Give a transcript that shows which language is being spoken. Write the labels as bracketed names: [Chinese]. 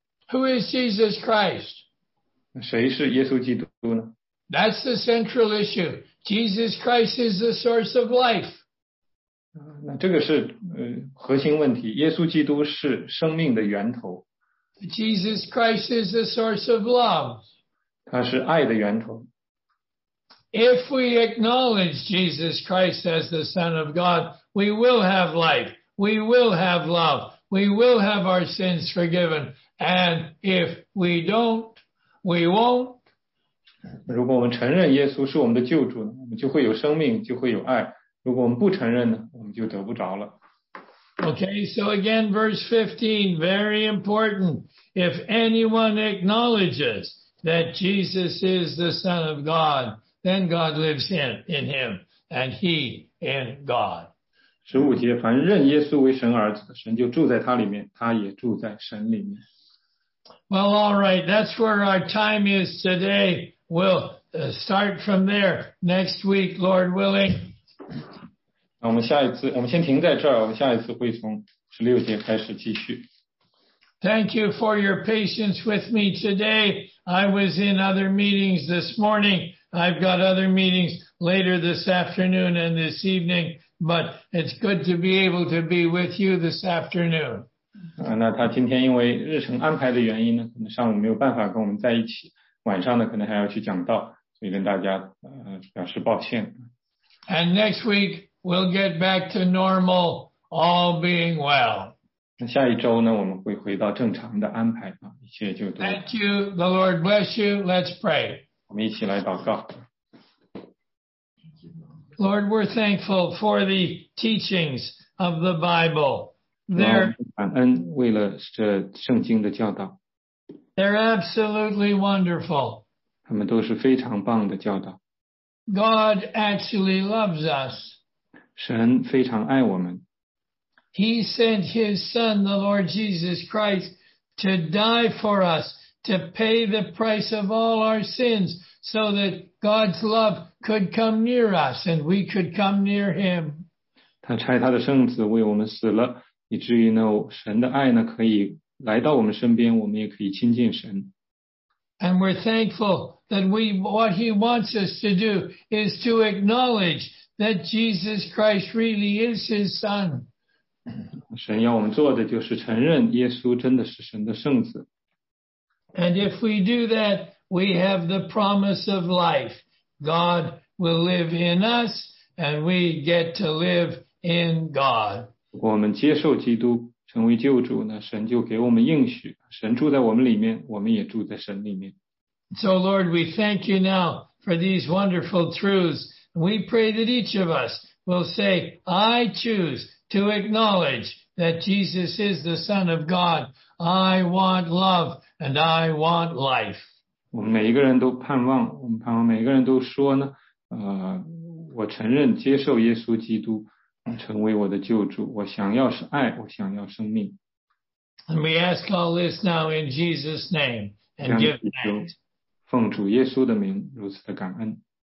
[English] Who is Jesus Christ? [Chinese] 谁是耶稣基督呢？ [English] That's the central issue. Jesus Christ is the source of life. [Chinese] 那这个是核心问题，耶稣基督是生命的源头。 [English] Jesus Christ is the source of love. [Chinese] 他是爱的源头。 [English] If we acknowledge Jesus Christ as the Son of God, we will have life, we will have love, we will have our sins forgiven. And if we don't, we won't. [Chinese] 如果我们承认耶稣是我们的救主，我们就会有生命，就会有爱。如果我们不承认呢，我们就得不着了。 [English] Okay, so again, verse 15, very important. If anyone acknowledges that Jesus is the Son of God, then God lives in him, and he in God. [Chinese] 15节，凡认耶稣为神儿子的，神就住在他里面，他也住在神里面。 [English] Well, all right, that's where our time is today. We'll start from there next week, Lord willing. [Chinese] 我们下一次，我们先停在这儿，我们下一次会从16节开始继续。 [English] Thank you for your patience with me today. I was in other meetings this morning. I've got other meetings later this afternoon and this evening, but it's good to be able to be with you this afternoon. [Chinese] 那他今天因为日程安排的原因呢，可能上午没有办法跟我们在一起，晚上呢可能还要去讲道，所以跟大家表示抱歉。 [English] And next week, we'll get back to normal, all being well. [Chinese] 下一周呢，我们会回到正常的安排啊，一切就都。 [English] Thank you, the Lord bless you. Let's pray. [Chinese] 我们一起来祷告。 [English] Lord, we're thankful for the teachings of the Bible. They're [Chinese] 感恩为了这圣经的教导。 [English] They're absolutely wonderful. [Chinese] 他们都是非常棒的教导。 [English] God actually loves us. [Chinese] 神非常爱我们。 [English] He sent his son, the Lord Jesus Christ, to die for us, to pay the price of all our sins, so that God's love could come near us and we could come near him. [Chinese] 他差他的圣子为我们死了，以至于呢，神的爱呢，可以来到我们身边，我们也可以亲近神。 [English] And we're thankful that what he wants us to do is to acknowledge that Jesus Christ really is his son. [Chinese] 神要我们做的就是承认耶稣真的是神的圣子。 [English] And if we do that, we have the promise of life. God will live in us, and we get to live in God. [Chinese] 我们接受基督成为救主呢，神就给我们应许，神住在我们里面，我们也住在神里面。 [English] So Lord, we thank you now for these wonderful truths. We pray that each of us will say, I choose to acknowledge that Jesus is the Son of God. I want love and I want life. [Chinese] 我们每一个人都盼望，我们盼望每一个人都说呢，我承认接受耶稣基督。成为我的救主，我想要是爱，我想要生命。 [English] And we ask all this now in Jesus' name and give thanks. [Chinese] 奉主耶稣的名，如此的感恩。